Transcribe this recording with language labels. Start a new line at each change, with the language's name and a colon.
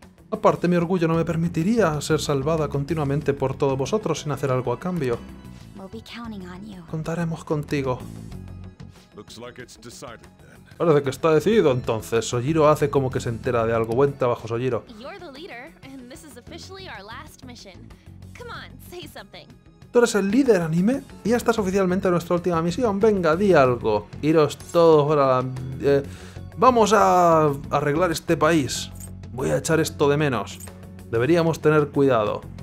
Spanish: Aparte, mi orgullo no me permitiría ser salvada continuamente por todos vosotros sin hacer algo a cambio.
English: We'll be counting on you.
Spanish: Contaremos contigo.
English: Looks like it's decided, then.
Spanish: Parece que está decidido, entonces. Sojiro hace como que se entera de algo. Buen trabajo, Sojiro.
English: You're the leader, and this is officially our last mission. Come on, say something.
Spanish: Tú eres el líder, anime, y ya estás oficialmente en nuestra última misión. Venga, di algo. Iros todos para la... vamos a arreglar este país. Voy a echar esto de menos. Deberíamos tener cuidado.